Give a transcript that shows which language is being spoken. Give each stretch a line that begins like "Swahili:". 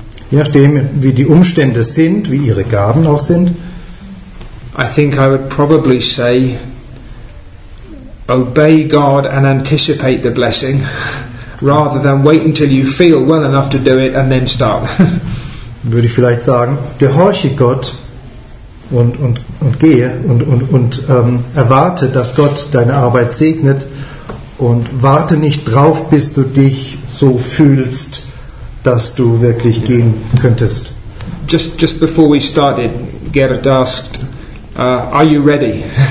German: Je nachdem, wie die Umstände sind, wie ihre Gaben auch sind.
English: I think I would probably say, obey God and anticipate the blessing. Rather than wait until you feel well enough to do it and then start.
German: Würde ich vielleicht sagen, gehorche Gott und gehe und erwarte, dass Gott deine Arbeit segnet und warte nicht drauf, bis du dich so fühlst, dass du wirklich gehen könntest.
English: Just before we started, Gerrit asked, are you ready?